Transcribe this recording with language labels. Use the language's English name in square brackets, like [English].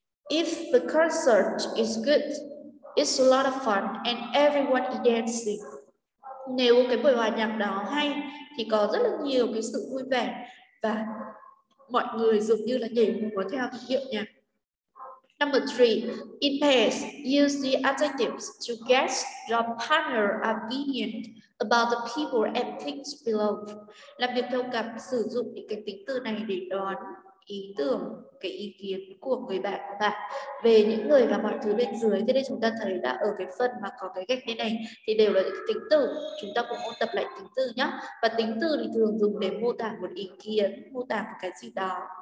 [English] If the concert is good, it's a lot of fun and everyone is dancing. [Vietnamese] Nếu cái buổi hòa nhạc đó hay thì có rất là nhiều cái sự vui vẻ và mọi người dường như là nhảy múa theo cái điệu nhạc. [English] Number three, in pairs, use the adjectives to guess your partner's opinion about the people and things below. [Vietnamese] Làm việc theo cặp sử dụng những cái tính từ này để đoán ý tưởng, cái ý kiến của người bạn của bạn về những người và mọi thứ bên dưới. Thế nên chúng ta thấy là ở cái phần mà có cái gạch này thì đều là những tính từ. Chúng ta cũng ôn tập lại tính từ nhé. Và tính từ thì thường dùng để mô tả một ý kiến, mô tả một cái gì đó.